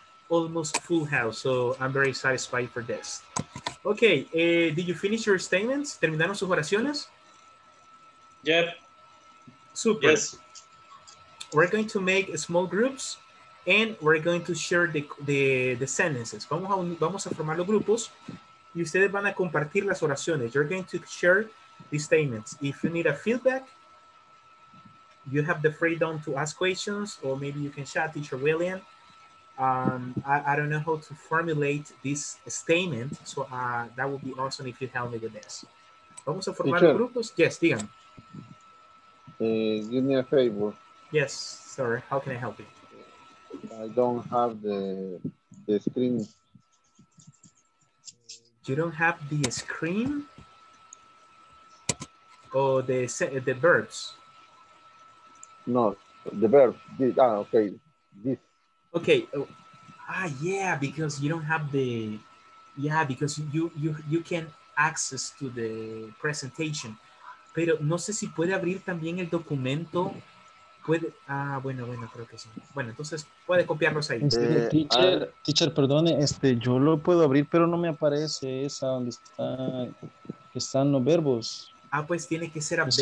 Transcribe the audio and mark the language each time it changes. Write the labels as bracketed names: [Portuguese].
[English] Almost full house, so I'm very satisfied for this. Okay, did you finish your statements? [Spanish] ¿Terminaron sus oraciones? [English] Yep. Super. Yes. We're going to make small groups and we're going to share the sentences. [Spanish] Vamos a formar los grupos y ustedes van a compartir las oraciones. [English] You're going to share the statements. If you need a feedback, you have the freedom to ask questions, or maybe you can chat Teacher William. I don't know how to formulate this statement, so that would be awesome if you help me with this. [Spanish] Vamos a formar teacher, grupos. Yes, digan. [English] Give me a favor. Yes, sir. How can I help you? I don't have the screen. You don't have the screen? Or the verbs? No, the verb. Okay. This. Okay. Yeah, because you don't have the, yeah, because you can access to the presentation. [Spanish] Pero no sé si puede abrir también el documento. Puede, bueno, creo que sí. Bueno, entonces puede copiarlos ahí. Teacher, perdone, yo lo puedo abrir, pero no me aparece esa donde está, que están los verbos. Ah, pues tiene que ser updated.